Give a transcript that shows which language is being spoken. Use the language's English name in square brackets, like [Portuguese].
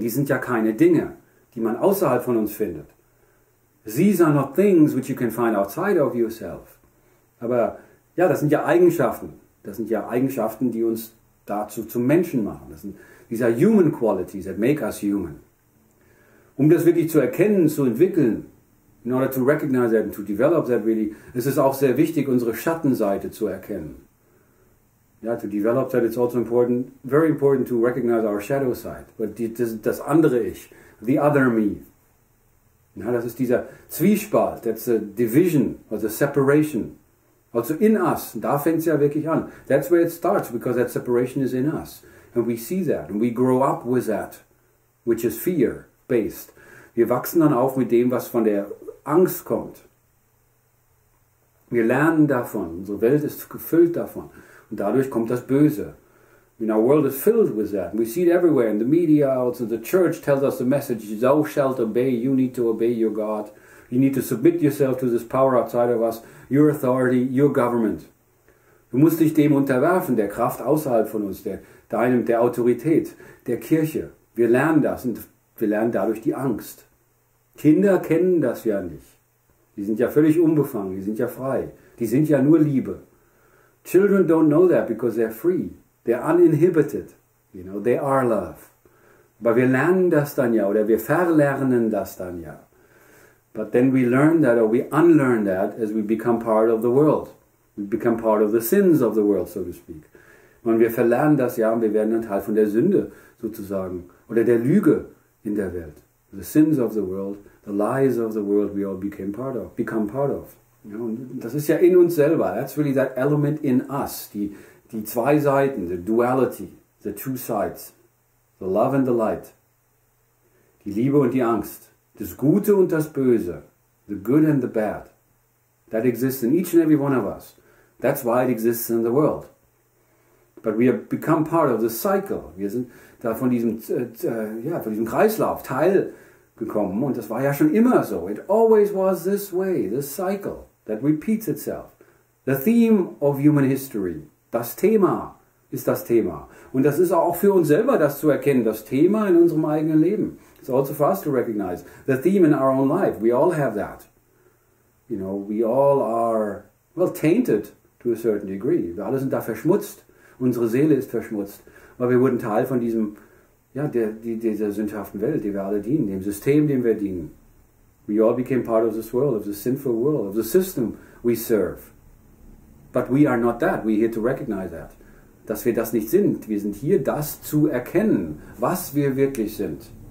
[German] Die sind ja keine Dinge, die man außerhalb von uns findet. [English] These are not things which you can find outside of yourself. [German] Aber ja, das sind ja Eigenschaften. Das sind ja Eigenschaften, die uns dazu zum Menschen machen. Das sind, [English] these are human qualities that make us human. [German] Um das wirklich zu erkennen, zu entwickeln, [English] in order to recognize that and to develop that really, [German] ist es auch sehr wichtig, unsere Schattenseite zu erkennen. [English] Ja, to develop that, it's also important, very important to recognize our shadow side. But [German] das andere Ich, [English] the other me. [German] Ja, das ist dieser Zwiespalt, [English] that's a division, or the separation. Also in us, [German] da fängt es ja wirklich an. [English] That's where it starts, because that separation is in us. And we see that, and we grow up with that, which is fear-based. [German] Wir wachsen dann auf mit dem, was von der Angst kommt. Wir lernen davon, unsere Welt ist gefüllt davon. Und dadurch kommt das Böse. [English] I mean, our world is filled with that. We see it everywhere in the media, also the church tells us the message, thou shalt obey, you need to obey your God. You need to submit yourself to this power outside of us, your authority, your government. [German] Du musst dich dem unterwerfen, der Kraft außerhalb von uns, der Autorität, der Kirche. Wir lernen das und wir lernen dadurch die Angst. Kinder kennen das ja nicht. Die sind ja völlig unbefangen, die sind ja frei. Die sind ja nur Liebe. [English] Children don't know that because they're free. They're uninhibited. You know, they are love. [German] Aber wir lernen das dann ja oder wir verlernen das dann ja. [English] But then we learn that or we unlearn that as we become part of the world. We become part of the sins of the world, so to speak. [German] Und wir verlernen das ja und wir werden ein Teil von der Sünde sozusagen oder der Lüge in der Welt. [English] The sins of the world, the lies of the world we all become part of. You know, [German] das ist ja in uns selber. [English] That's really that element in us. [German] Die zwei Seiten, [English] the duality, the two sides. The love and the light. [German] Die Liebe und die Angst. Das Gute und das Böse. [English] The good and the bad. That exists in each and every one of us. That's why it exists in the world. But we have become part of the cycle. [German] Wir sind da von diesem Kreislauf Teil gekommen. Und das war ja schon immer so. [English] It always was this way. The cycle that repeats itself. The theme of human history. [German] Das Thema ist das Thema. Und das ist auch für uns selber, das zu erkennen. Das Thema in unserem eigenen Leben. [English] It's also for us to recognize the theme in our own life. We all have that. You know, we all are, well, tainted to a certain degree. [German] Wir alle sind da verschmutzt. Unsere Seele ist verschmutzt. Weil wir wurden Teil von diesem, ja, dieser sündhaften Welt, die wir alle dienen, dem System, dem wir dienen. [English] We all became part of this world, of the sinful world, of the system we serve. But we are not that. We're here to recognize that. [German] Dass wir das nicht sind. Wir sind hier, das zu erkennen, was wir wirklich sind.